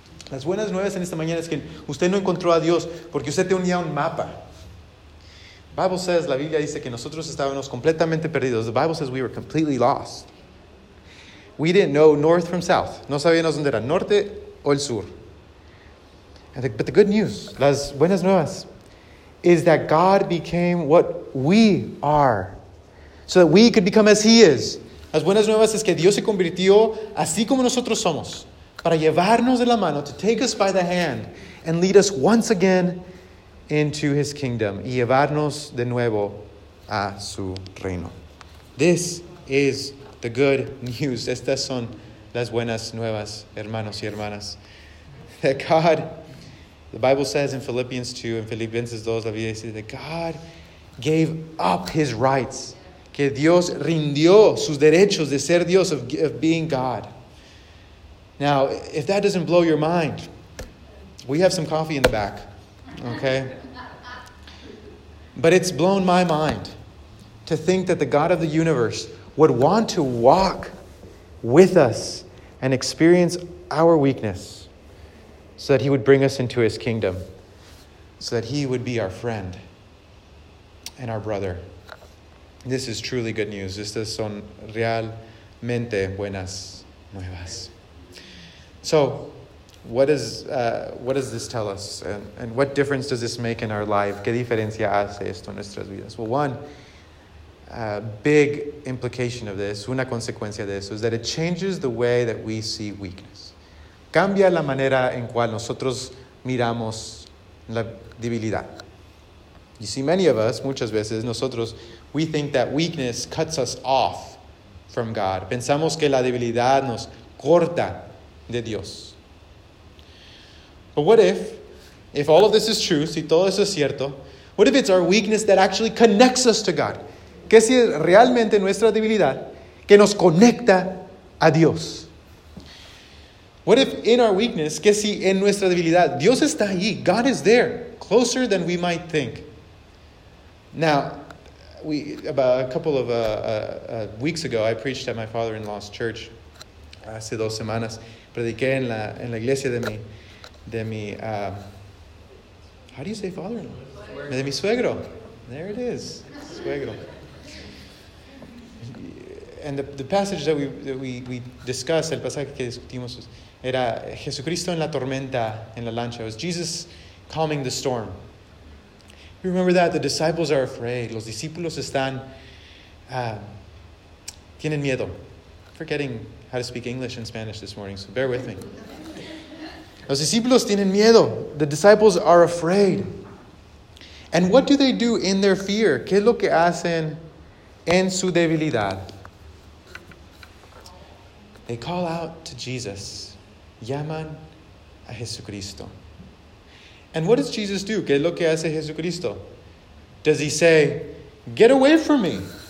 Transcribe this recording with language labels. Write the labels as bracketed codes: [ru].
[es] Las buenas nuevas en esta mañana es que usted no encontró a Dios porque usted tenía un mapa. [en] Bible says, [es] la Biblia dice que nosotros estábamos completamente perdidos. [en] The Bible says we were completely lost. We didn't know north from south. [es] No sabíamos dónde era, norte o el sur. [en] But the good news, [es] las buenas nuevas, [en] is that God became what we are so that we could become as he is. [es] Las buenas nuevas es que Dios se convirtió así como nosotros somos para llevarnos de la mano, [en] to take us by the hand and lead us once again into his kingdom [es] y llevarnos de nuevo a su reino. [en] This is the good news. [es] Estas son las buenas nuevas, hermanos y hermanas. [en] That God, the Bible says in Philippians 2, in [es] Filipenses 2, la Biblia dice, [en] that God gave up his rights. [es] Que Dios rindió sus derechos de ser Dios, [en] of being God. Now, if that doesn't blow your mind, we have some coffee in the back, okay? But it's blown my mind to think that the God of the universe would want to walk with us and experience our weakness so that he would bring us into his kingdom, so that he would be our friend and our brother. This is truly good news. [es] Estas son realmente buenas nuevas. [en] So, what does this tell us? And what difference does this make in our life? [es] ¿Qué diferencia hace esto en nuestras vidas? [en] Well, one big implication of this, [es] una consecuencia de eso, [en] is that it changes the way that we see weakness. [es] Cambia la manera en cual nosotros miramos la debilidad. [en] You see, many of us, [es] muchas veces, nosotros, [en] we think that weakness cuts us off from God. [es] Pensamos que la debilidad nos corta de Dios. [en] But what if all of this is true, [es] si todo eso es cierto, [en] what if it's our weakness that actually connects us to God? [es] ¿Qué si es realmente nuestra debilidad que nos conecta a Dios? [en] What if in our weakness, [es] ¿qué si en nuestra debilidad, Dios está ahí, [en] God is there, closer than we might think? Now, about a couple of weeks ago, I preached at my father-in-law's church. [es] Hace dos semanas, prediqué en la iglesia [en] how do you say father-in-law? [es] De mi suegro. [en] There it is, suegro. And the passage that we discussed, [es] el pasaje que discutimos, era Jesucristo en la tormenta, en la lancha. [en] It was Jesus calming the storm. Remember that the disciples are afraid. [es] Los discípulos están tienen miedo. [en] Forgetting how to speak English and Spanish this morning, so bear with me. [es] Los discípulos tienen miedo. [en] The disciples are afraid. And what do they do in their fear? [es] ¿Qué es lo que hacen en su debilidad? [en] They call out to Jesus. [es] Llaman a Jesucristo. [en] And what does Jesus do? [es] ¿Qué es lo que hace Jesucristo? [en] Does he say, get away from me.